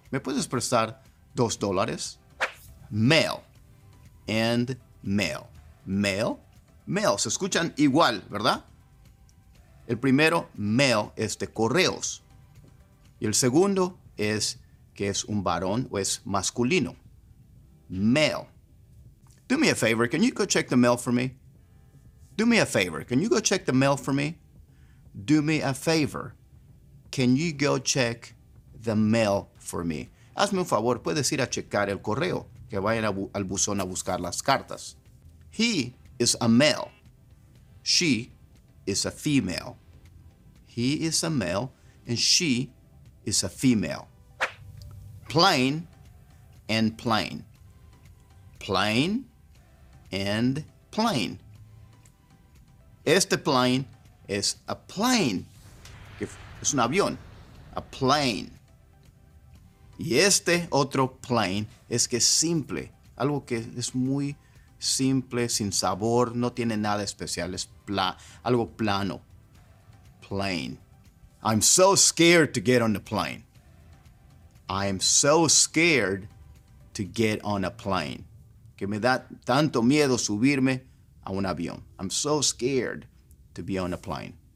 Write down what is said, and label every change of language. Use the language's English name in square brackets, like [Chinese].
[Spanish] ¿Me puedes prestar $2? [English] Mail and mail. [Spanish] Mail, mail. Se escuchan igual, ¿verdad? El primero, mail, es de correos. Y el segundo es que es un varón o es masculino. [English] Mail. Do me a favor. Can you go check the mail for me? Do me a favor. Can you go check the mail for me? Do me a favor. Can you go check the mail for me? [Spanish] Hazme un favor. Puedes ir a checar el correo. Que vayan al buzón a buscar las cartas. [English] He is a male. She is a female. He is a male and she is a female. Plain and plain. Plain and plain. [Spanish] Este plane es [English] a plane. [Spanish] Que es un avión. A plane. Y este otro plain es que es simple, algo que es muy simple, sin sabor, no tiene nada especial, es algo plano. [English] Plain. I'm so scared to get on the plane. I'm so scared to get on a plane. [Spanish] Que me da tanto miedo subirme a un avión. [English] I'm so scared to be on a plane.